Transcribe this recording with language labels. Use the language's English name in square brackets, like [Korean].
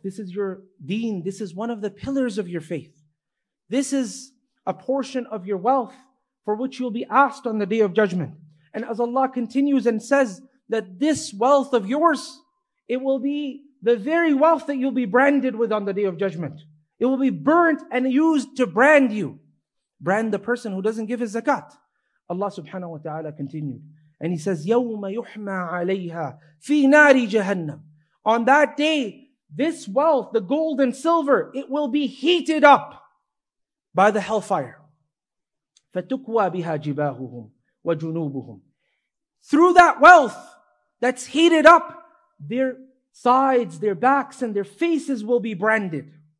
[English] This is your deen. This is one of the pillars of your faith. This is a portion of your wealth for which you'll be asked on the Day of Judgment. And as Allah continues and says that this wealth of yours, it will be the very wealth that you'll be branded with on the Day of Judgment. It will be burnt and used to brand you. Brand the person who doesn't give his zakat. Allah subhanahu wa ta'ala continued. And He says, [Arabic] يَوْمَ يُحْمَى عَلَيْهَا فِي نَارِ جَهَنَّمَ. [English] On that day, this wealth, the gold and silver, it will be heated up by the hellfire. [Arabic] فَتُكْوَى بِهَا جِبَاهُهُمْ وَجُنُوبُهُمْ. [English] Through that wealth that's heated up, their sides, their backs, and their faces will be branded.